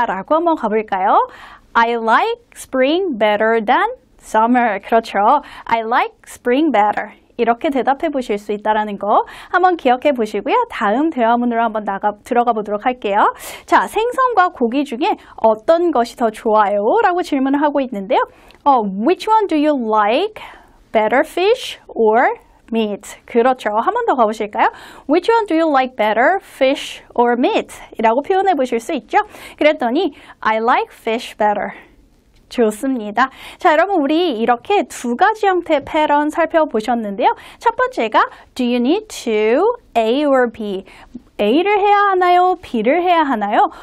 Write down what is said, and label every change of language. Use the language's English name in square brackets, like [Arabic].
[Korean] 라고 한번 가볼까요? [English] I like spring better than summer. [Korean] 그렇죠. [English] I like spring better. [Korean] 이렇게 대답해 보실 수 있다라는 거 한번 기억해 보시고요. 다음 대화문으로 한번 들어가 보도록 할게요. 자, 생선과 고기 중에 어떤 것이 더 좋아요? 라고 질문을 하고 있는데요. [English] Which one do you like better, fish or meat? [Korean] 그렇죠. 한 번 더 가보실까요? [English] Which one do you like better, fish or meat? [Korean] 이라고 표현해 보실 수 있죠. 그랬더니 [English] I like fish better. [Korean] 좋습니다. 자, 여러분 우리 이렇게 두 가지 형태의 패턴 살펴보셨는데요. 첫 번째가 [English] Do you need to A or B? [Korean] A를 해야 하나요? B를 해야 하나요?